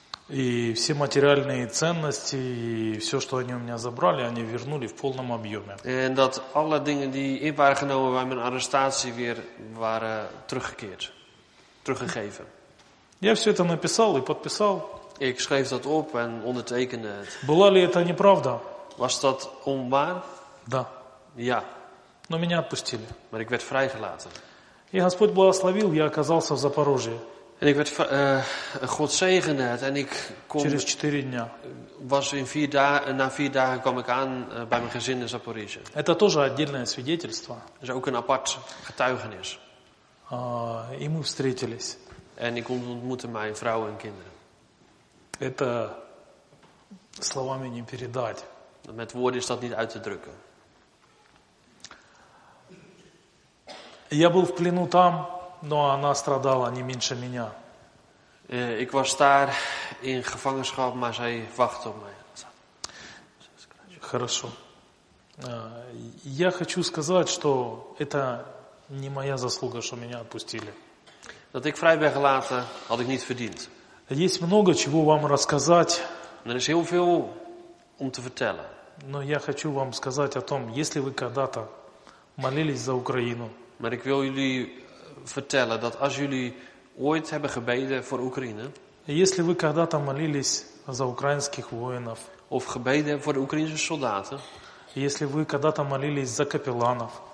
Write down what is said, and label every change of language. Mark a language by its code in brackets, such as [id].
[ru] И все материальные ценности и все, что они у меня забрали, они вернули в полном объеме. [nl] En dat alle dingen die in waren genomen bij mijn arrestatie weer waren teruggekeerd, teruggegeven. [ru] Я все это написал и подписал. [nl] Ik schreef dat op en ondertekende het. [ru] Была ли это неправда? [nl] Was dat onwaar? [ru] Да. [nl] Ja. [ru] Но меня отпустили. [nl] Maar ik werd vrijgelaten. [ru] И Господь благословил, я оказался в Запорожье. [nl] En ik werd God zegende het en ik kom. [ru] Через 4 дня. [nl] Was in 4 dagen, na 4 dagen kwam ik aan bij mijn gezin in Запорожье. [ru] Это тоже отдельное свидетельство. [nl] Is ook een apart getuigenis. [ru] И мы встретились. [nl] En ik ontmoette mijn vrouw en kinderen. [ru] Это словами не передать. [nl] Met woorden is dat niet uit te drukken. [ru] Я был в плену там, но она страдала не меньше меня. [nl] Ik was daar in gevangenschap, maar zij wachtte op mij. [ru] Хорошо. Я хочу сказать, что это не моя заслуга, что меня отпустили. [nl] Dat ik vrij ben gelaten, had ik niet verdiend. [ru] Есть много чего вам рассказать. [nl] Er is heel veel om te vertellen. [ru] Но я хочу вам сказать о том, если вы когда-то молились за Украину. [nl] Maar ik wil jullie vertellen dat als jullie ooit hebben gebeden voor Oekraïne. [ru] Если вы когда-то молились за украинских воинов. [nl] Of gebeden voor de Oekraïnse soldaten. [ru] Если вы когда-то молились за капелланов.